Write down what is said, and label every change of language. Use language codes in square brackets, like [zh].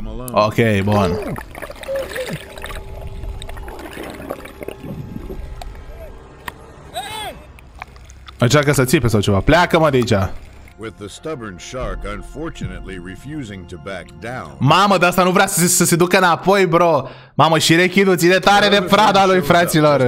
[ro] Ok, bun. Încearcă să țipe sau ceva. Pleacă-mă de aici. [en] With the stubborn shark unfortunately refusing to back down. [ro] Mamă, dar asta nu vrea să se ducă înapoi, bro. Mamă, și rechinul ține tare de prada lui, fraților.